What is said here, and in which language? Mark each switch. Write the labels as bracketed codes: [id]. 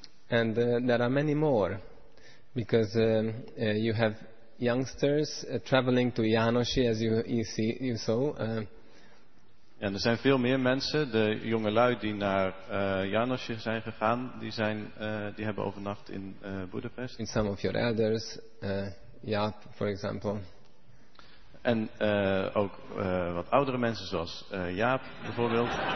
[en] And there are many more, because you have youngsters traveling to Janosi, as you saw. [nl] Ja, er zijn veel meer mensen. De jonge lui die naar Janosi zijn gegaan, die hebben overnacht in Budapest. [en] In some of your elders, Jaap, for example. [nl] En ook wat oudere mensen zoals Jaap, bijvoorbeeld.